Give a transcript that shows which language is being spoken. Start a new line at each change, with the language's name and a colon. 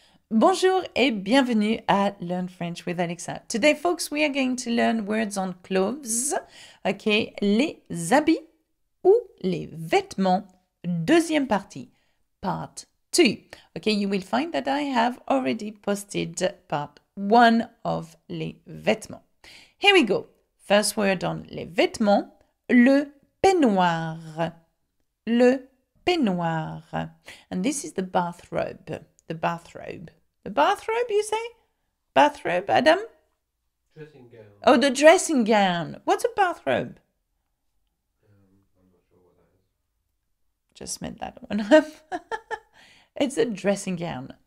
French: Bonjour et bienvenue à Learn French with Alexa.
English: Today, folks, we are going to learn words on clothes.
French: Okay, les habits ou les vêtements. Deuxième partie,
English: part two. Okay, you will find that I have already posted part one of
French: les vêtements.
English: Here we go. First word on
French: les vêtements, le peignoir. Le peignoir.
English: And this is the bathrobe. The bathrobe. The bathrobe, you say? Bathrobe, Adam? Dressing gown. Oh, the dressing gown. What's a bathrobe? I'm not sure what that is. Just made that one up. It's a dressing gown.